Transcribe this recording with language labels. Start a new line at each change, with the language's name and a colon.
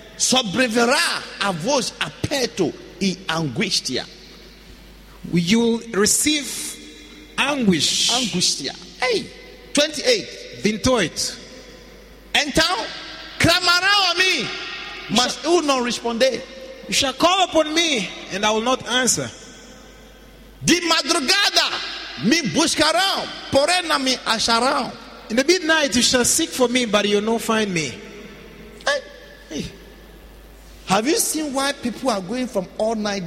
Portuguese: sobreverá a vos aperto e angustia.
English: You will receive anguish.
Portuguese: Angustia. Hey, 28. 28. Então, clamará a mim, mas eu não responder.
English: You shall call upon me, and I will not answer.
Portuguese: De madrugada me buscarão, porém não me acharão.
English: In the midnight you shall seek for me, but you'll not find me. Hey. Have you seen why people are going from all night?